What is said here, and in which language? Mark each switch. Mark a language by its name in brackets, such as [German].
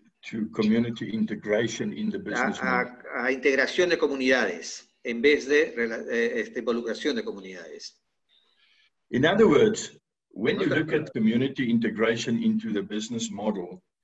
[English] to community integration in the business [Spanish] a integración de comunidades en vez de involucración de comunidades. [English] In other words, when you look at community integration into the business model,